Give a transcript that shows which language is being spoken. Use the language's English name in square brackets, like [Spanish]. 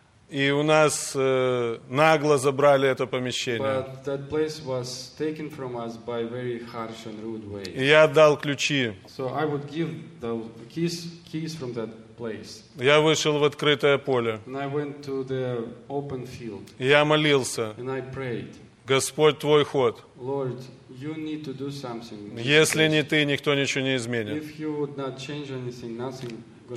[Russian] И у нас нагло забрали это помещение. [English] But that place was taken from us by very harsh and rude way. [Russian] И я отдал ключи. [English] So I would give the keys from that place. [Russian] Я вышел в открытое поле. [English] And I went to the open field. [Russian] И я молился. [English] And I prayed. [Russian] Господь, твой ход. [English] Lord, you need to do something. [Russian] Если не ты, никто ничего не изменит. [English] If you would not change anything, nothing gonna change.